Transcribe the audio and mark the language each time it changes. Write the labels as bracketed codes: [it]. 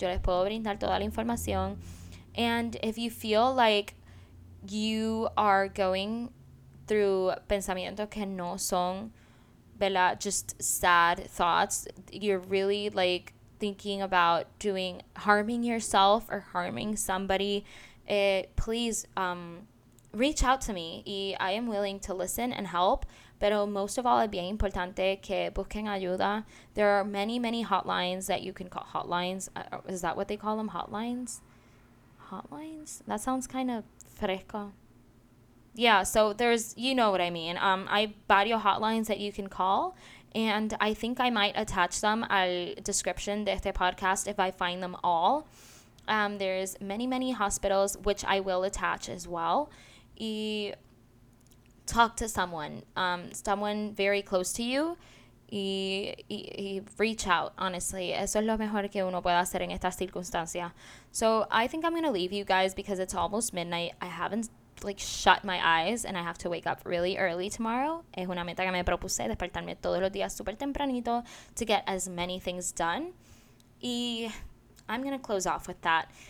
[es] Yo les puedo brindar toda la información. [en] And if you feel like you are going through [es] pensamientos que no son, ¿verdad? [en] Just sad thoughts. You're really like thinking about doing harming yourself or harming somebody. Please reach out to me. Y I am willing to listen and help. [es] Pero [en] most of all, [es] es bien importante que busquen ayuda. [en] There are many, many hotlines that you can call. Hotlines. Is that what they call them? Hotlines? Hotlines? That sounds kind of fresco. Yeah, so there's, you know what I mean. I varios hotlines that you can call, and I think I might attach them al description [es] de este podcast [en] if I find them all. There's many, many hospitals which I will attach as well. Y talk to someone very close to you. y reach out, honestly. [es] Eso es lo mejor que uno puede hacer en estas circunstancias. [en] So I think I'm going to leave you guys because it's almost midnight. I haven't like shut my eyes and I have to wake up really early tomorrow. [es] Es una meta que me propuse, despertarme todos los días super tempranito [en] to get as many things done. Y I'm going to close off with that.